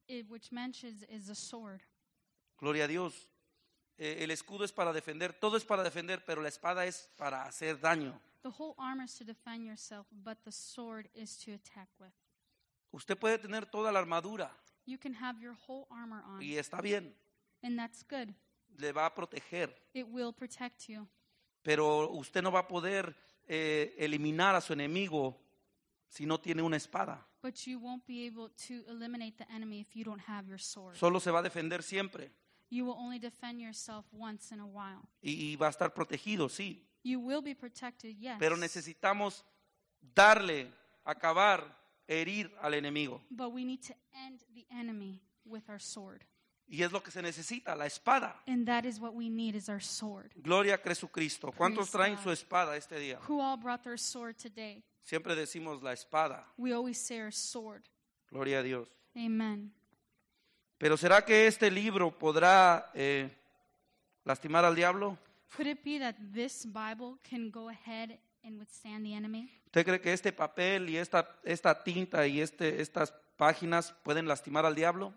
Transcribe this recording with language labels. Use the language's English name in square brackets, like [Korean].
[English] Which mentions is the sword. [Spanish] Gloria a Dios. El escudo es para defender, todo es para defender, pero la espada es para hacer daño. [English] The whole armor is to defend yourself, but the sword is to attack with. [Spanish] Usted puede tener toda la armadura. [English] You can have your whole armor on. [Spanish] Y está bien. [English] And that's good. [Spanish] Le va a proteger. [English] It will protect you. [Spanish] Pero usted no va a poder eliminar a su enemigo si no tiene una espada. [English] But you won't be able to eliminate the enemy if you don't have your sword. [Spanish] Solo se va a defender siempre. [English] You will only defend yourself once in a while. [Spanish] Y va a estar protegido, sí. [English] You will be protected, yes. [Spanish] Pero necesitamos darle, acabar, herir al enemigo. [English] But we need to end the enemy with our sword. [Spanish] Y es lo que se necesita, la espada. [English] And that is what we need, is our sword. [Spanish] Gloria a Jesucristo. ¿Cuántos traen su espada este día? [English] Who all brought their sword today? [Spanish] Siempre decimos la espada. [English] We always say our sword. [Spanish] Gloria a Dios. Amen. Pero ¿será que este libro podrá lastimar al diablo? [English] Could it be that this Bible can go ahead and withstand the enemy? [Spanish] ¿Usted cree que este papel y esta tinta y estas páginas pueden lastimar al diablo?